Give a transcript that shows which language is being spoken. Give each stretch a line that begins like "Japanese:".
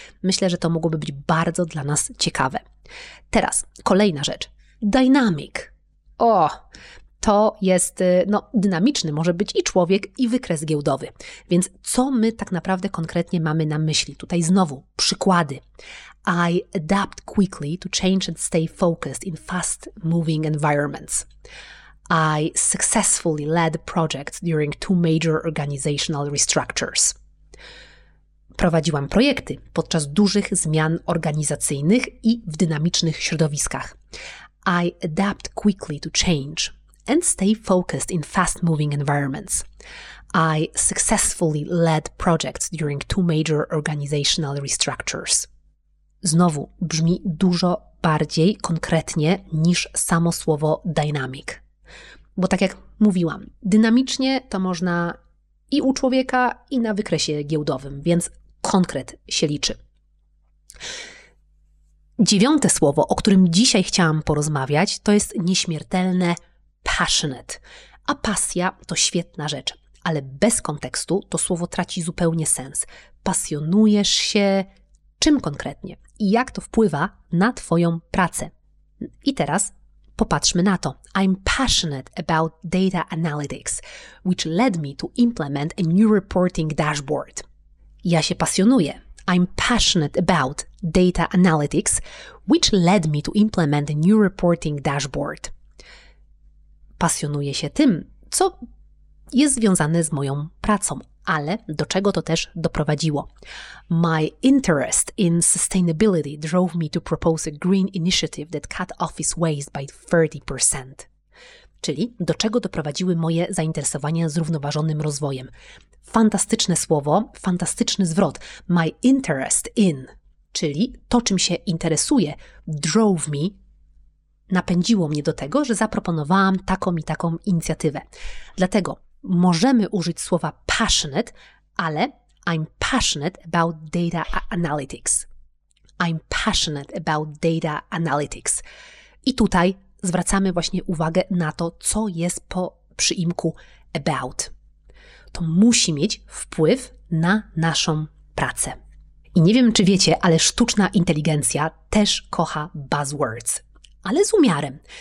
Polish: Myślę, że to mogłoby być bardzo dla nas ciekawe. Teraz kolejna rzecz. Dynamic. O, to jest, no, dynamiczny może być i człowiek, i wykres giełdowy. Więc co my tak naprawdę konkretnie mamy na myśli? Tutaj znowu przykłady.
English: I adapt quickly to change and stay focused in fast-moving environments. I successfully led projects during two major organizational restructures.
Polish: Prowadziłam projekty podczas dużych zmian organizacyjnych i w dynamicznych środowiskach.
English: I adapt quickly to change and stay focused in fast-moving environments. I successfully led projects during two major organizational restructures.
Polish: Znowu brzmi dużo bardziej konkretnie niż samo słowo dynamic. Bo tak jak mówiłam, dynamicznie to można i u człowieka, i na wykresie giełdowym, więc konkret się liczy. Dziewiąte słowo, o którym dzisiaj chciałam porozmawiać, to jest nieśmiertelne passionate. A pasja to świetna rzecz, ale bez kontekstu to słowo traci zupełnie sens. Pasjonujesz się czym konkretnie i jak to wpływa na Twoją pracę? I teraz popatrzmy na to.
English: I'm passionate about data analytics, which led me to implement a new reporting dashboard.
Polish: Ja się pasjonuję.
English: I'm passionate about data analytics, which led me to implement a new reporting dashboard.
Polish: Pasjonuję się tym, co jest związane z moją pracą, ale do czego to też doprowadziło.
English: My interest in sustainability drove me to propose a green initiative that cut office waste by 30%.
Polish: Czyli do czego doprowadziły moje zainteresowania zrównoważonym rozwojem. Fantastyczne słowo, fantastyczny zwrot.
English: My interest in,
Polish: czyli to, czym się interesuję,
English: drove me,
Polish: napędziło mnie do tego, że zaproponowałam taką i taką inicjatywę. Dlatego możemy użyć słowa passionate, ale
English: I'm passionate about data analytics. I'm passionate about data analytics.
Polish: I tutaj zwracamy właśnie uwagę na to, co jest po przyimku about. To musi mieć wpływ na naszą pracę. I nie wiem, czy wiecie, ale sztuczna inteligencja też kocha buzzwords. Ale z umiarem.